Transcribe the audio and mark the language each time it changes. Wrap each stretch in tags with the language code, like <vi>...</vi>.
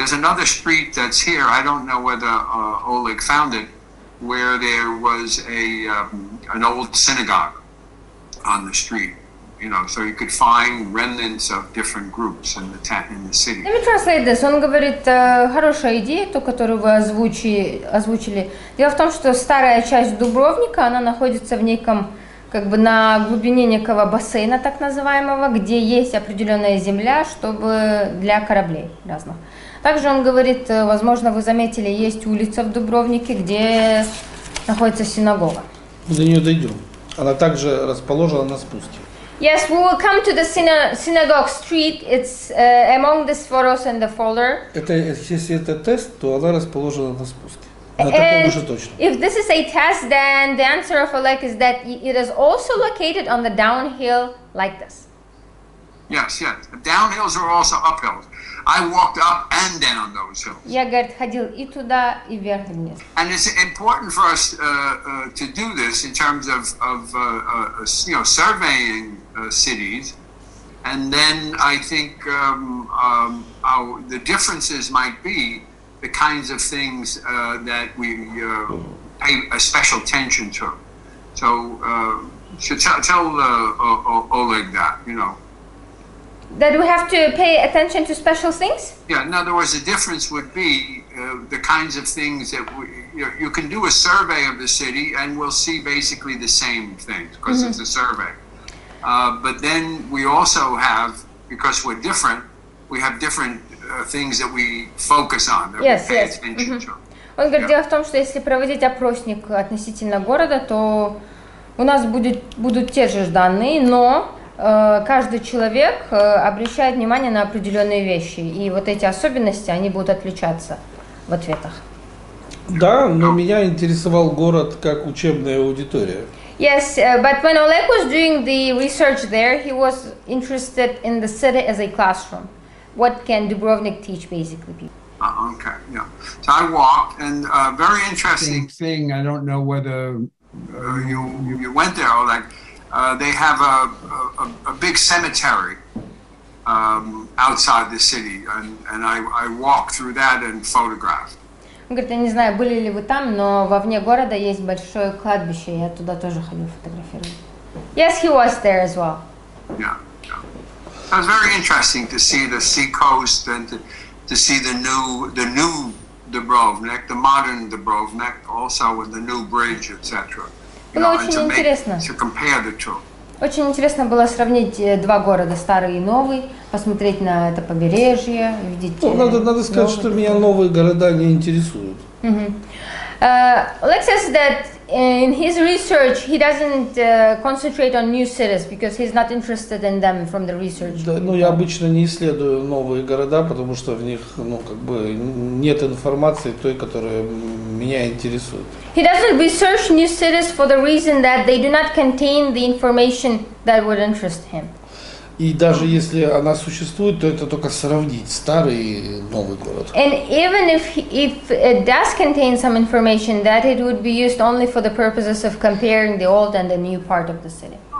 <en>There's another street that's here. I don't know whether Oleg found it, where there was an old synagogue on the street. You know, so you could find remnants of different groups in the city. Let me translate this.</en> <ru>Он говорит, хорошая идея, ту, которую вы озвучили. Дело в том, что старая часть Дубровника, она находится в неком, как бы на глубине некого бассейна, так называемого, где есть определенная земля, чтобы для кораблей разных. Также он говорит, возможно, вы заметили, есть улица в Дубровнике, где находится синагога. Мы до нее дойдем. Она также расположена на спуске.</ru> <en>Yes, we will come to the synagogue street. It's among the Sforos and the Folder.</en> <ru>Это если это тест, то она расположена на спуске. На таком уже точно.</ru> <en>If this is a test, then the answer of Oleg is that it is also located on the downhill like this. Yes, yes. Downhills are also uphills. I walked up and down those hills.</en> <ru>Я, говорит, ходил и туда, и вверх, и вниз.</ru> <en>And it's important for us to do this in terms of surveying cities, and then I think the differences might be the kinds of things that we pay a special attention to. So, tell Oleg that, you know. That we have to pay attention to special things? Yeah, in other words, the difference would be the kinds of things that you can do a survey of the city and we'll see basically the same things because mm-hmm. it's a survey. But then we also have, because we're different, we have different things that we focus on, that yes, we pay yes. attention mm-hmm. to.</en> <ru>Он говорит, yeah. дело в том, что если проводить опросник относительно города, то у нас будут те же данные, но... каждый человек обращает внимание на определенные вещи, и вот эти особенности, они будут отличаться в ответах. Да, но меня интересовал город как учебная аудитория.</ru> <en>Yes, but when Oleg was doing the research there, he was interested in the city as a classroom. What can Dubrovnik teach, basically, people? Okay, yeah. So I walked, and a very interesting thing, I don't know whether you went there, Oleg, they have a big cemetery outside the city, and I walked through that and photographed.</en> <ru>Он говорит, я не знаю, были ли вы там, но вовне города есть большое кладбище, я туда тоже ходил фотографировать.</ru> <en>Yes, he was there as well. Yeah. It was very interesting to see the seacoast and to see the new Dubrovnik, the modern Dubrovnik, also with the new bridge, etc.</en> <ru>Было очень интересно. Очень интересно было сравнить два города, старый и новый, посмотреть на это побережье, видеть. Ну, надо сказать, что меня новые города не интересуют.</ru> <en>Oleg says that in his research he doesn't concentrate on new cities because he's not interested in them from the research.</en> <ru>Да, ну я обычно не исследую новые города, потому что в них, ну как бы нет информации той, которая меня интересует.</ru> <en>He doesn't research new cities for the reason that they do not contain the information that would interest him.</en> <ru>И даже если она существует, то это только сравнить старый и новый город.</ru> <en>And even if it does contain some information, that it would be used only for the purposes of comparing the old and the new part of the city.</en>